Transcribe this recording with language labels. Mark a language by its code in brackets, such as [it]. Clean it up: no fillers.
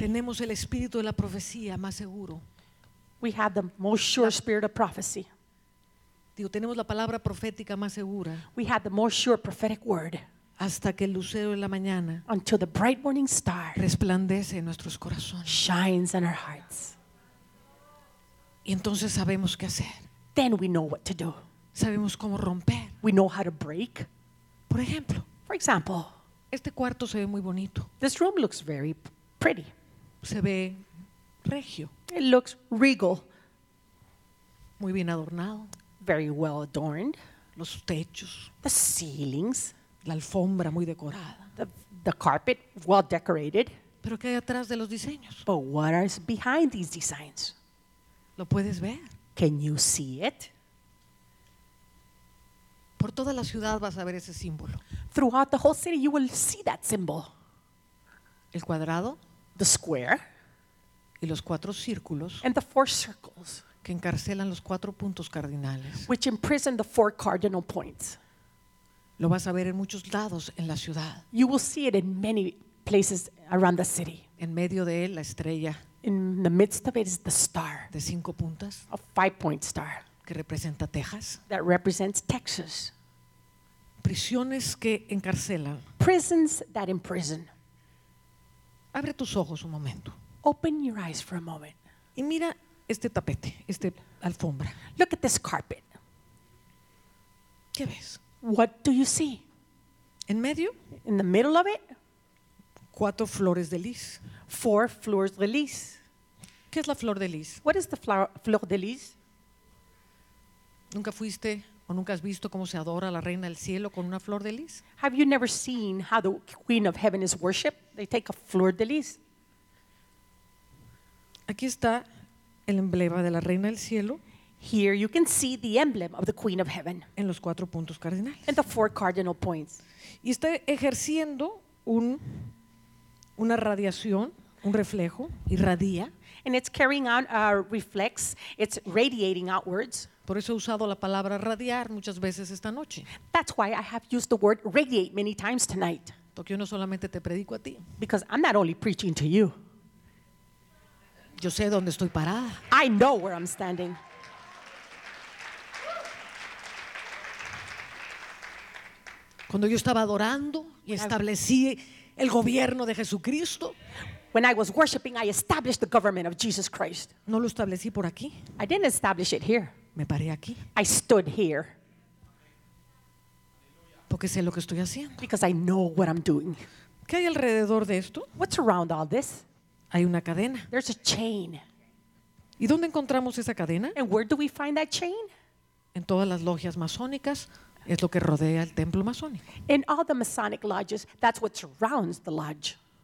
[es] Tenemos el espíritu de la profecía más seguro. [en] We have the most sure spirit of prophecy. [es] Digo, tenemos la palabra profética más segura. [en] We have the most sure prophetic word. [es] Hasta que el lucero de la mañana, [en] until the bright morning star, [es] resplandece en nuestros corazones, [en] shines in our hearts. [es] Y entonces sabemos qué hacer. [en] Then we know what to do. [es] Sabemos cómo romper. [en] We know how to break. [es] Por ejemplo, [en] for example, [es] este cuarto se ve muy bonito. [en] This room looks very pretty. [es] Se ve regio. [en] It looks regal. [es] Muy bien adornado. [en] Very well adorned. [es] Los techos. [en] The ceilings. [es] La alfombra muy decorada. [en] The carpet well decorated. [es] ¿Pero qué hay atrás de los diseños? [en] But what is behind these designs? [es] ¿Lo puedes ver? [en] Can you see it? [es] Por toda la ciudad vas a ver ese símbolo. [en] Throughout the whole city you will see that symbol. [es] El cuadrado, [en] the square, [es] y los cuatro círculos, [en] and the four circles, [es] que encarcelan los cuatro puntos cardinales, [en] which imprison the four cardinal points. [es] Lo vas a ver en muchos lados en la ciudad. [en] You will see it in many places around the city. [es] En medio de él la estrella. [en] In the midst of it is the star. [es] De cinco puntas. [en] A five-point star. [es] Que representa Texas. [en] That represents Texas. [es] Prisiones que encarcelan. [en] Prisons that imprison. [es] Abre tus ojos un momento. [en] Open your eyes for a moment. [es] Y mira este tapete, este alfombra. [en] Look at this carpet. [es] ¿Qué ves? [en] What do you see? [es] En medio. [en] In the middle of it. [es] Cuatro flores de lis. [en] Four flores de lis. [es] ¿Qué es la flor de lis? [en] What is the flor de lis? [es] ¿Nunca fuiste o nunca has visto cómo se adora a la reina del cielo con una flor de lis? [en] Have you never seen how the queen of heaven is worshipped? They take a flor de lis. [es] Aquí está el emblema de la reina del cielo. [en] Here you can see the emblem of the queen of heaven. [es] En los cuatro puntos cardinales. [en] And the four cardinal points. [es] Y está ejerciendo una radiación, un reflejo, irradia. [en] And it's carrying out a reflex, it's radiating outwards. [es] Por eso he usado la palabra radiar muchas veces esta noche. [en] That's why I have used the word radiate many times tonight. [es] Porque yo no solamente te predico a ti. [en] Because I'm not only preaching to you. [es] Yo sé dónde estoy parada. [en] I know where I'm standing. [es] Cuando yo estaba adorando y establecí el gobierno de Jesucristo. [en] When I was worshiping, I established the government of Jesus Christ. [es] No lo establecí por aquí. [en] I didn't establish it here. [es] Me paré aquí. [en] I stood here. [es] Porque sé lo que estoy haciendo. [en] Because I know what I'm doing. [es] ¿Qué hay alrededor de esto? [en] What's around all this? [es] Hay una cadena. [en] There's a chain. [es] ¿Y dónde encontramos esa cadena? [en] And where do we find that chain? [es] En todas las logias masónicas es lo que rodea el templo masónico. [en] In all the Masonic lodges, that's what surrounds the lodge.